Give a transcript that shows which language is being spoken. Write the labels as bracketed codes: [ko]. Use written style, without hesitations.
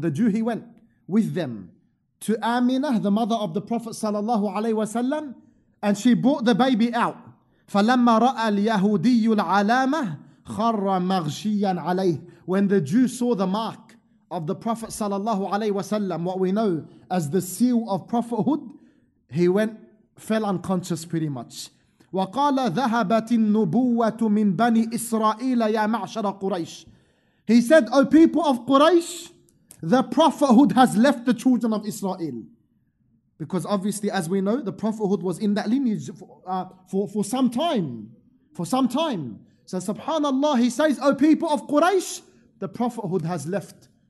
[en] The Jew, he went with them to Aminah, the mother of the Prophet sallallahu alayhi wa sallam, and she brought the baby out. [ar] فَلَمَّا رَأَ الْيَهُودِيُّ الْعَلَامَةِ خَرَّ مَغْشِيًّا عَلَيْهِ. [en] When the Jew saw the mark of the Prophet sallallahu alayhi wa sallam, what we know as the seal of prophethood, he went, fell unconscious pretty much. [ar] وقال ذهبت النبوة من بني إسرائيل يا معشر قريش. [en] He said, O people of Quraysh, the prophethood has left the children of Israel. Because obviously, as we know, the prophethood was in that lineage for some time. So subhanAllah, he says, O people of Quraysh, the prophethood has left.